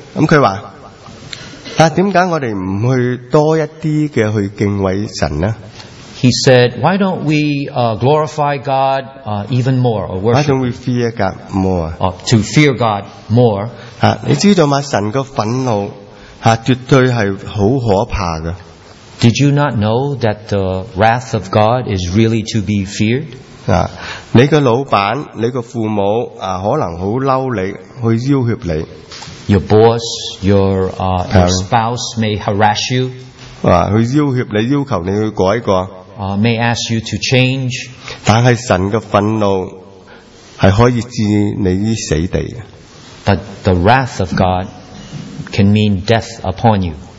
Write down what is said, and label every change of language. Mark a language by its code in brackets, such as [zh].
[zh] 他說, 但為何我們不去多一些去敬畏神呢? [en] He said, why don't we glorify God even more or worship? Why don't we fear God more? To fear God more. [zh] 你知道嗎? 神的憤怒, 絕對是很可怕的。 [en] Did you not know that the wrath of God is really to be feared? [zh] 你的老闆,你的父母, 可能很生氣, 去要挟你。 [en] Your boss, your spouse may harass you. [zh] 去要挟你,要求你去改過。 [en] May ask you to change. [zh] 但是神的憤怒是可以置你於死地的。 [en] But the wrath of God can mean death upon you.